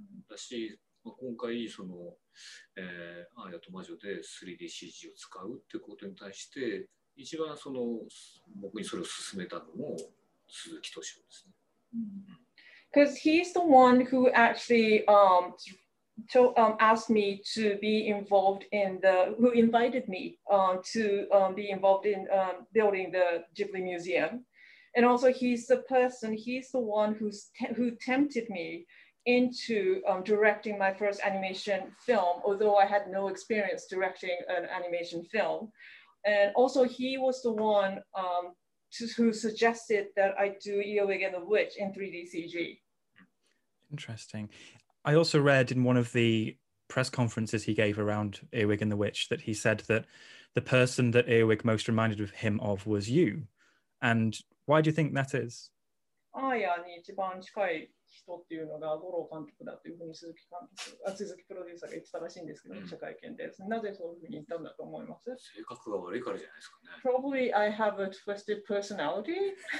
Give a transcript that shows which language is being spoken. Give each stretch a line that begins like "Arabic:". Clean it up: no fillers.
Japanese: だし、まあ、今回その、アーヤと魔女で 3DCG を使うってことに対して一番その僕にそれを勧めたのも鈴木敏夫ですね。
English: Because he's the one who actually asked me to be involved in the who invited me to be involved in building the Ghibli Museum. And also he's the one who tempted me into directing my first animation film, although I had no experience directing an animation film. And also he was the one who suggested that I do Eowyn and the Witch in 3DCG. Interesting. I also read in one of the press conferences he gave around Eowyn and the Witch that he said that the person that Eowyn most reminded him of was you. And... Why do you think that is?
Japanese: アーヤに一番近い人っていうのが五郎監督だというふうに鈴木プロデューサーが言ってたらしいんですけど、記者会見で。なぜそういうふうに言ったんだと思います? 性格が悪いからじゃないですかね。
English: Probably I have a twisted personality.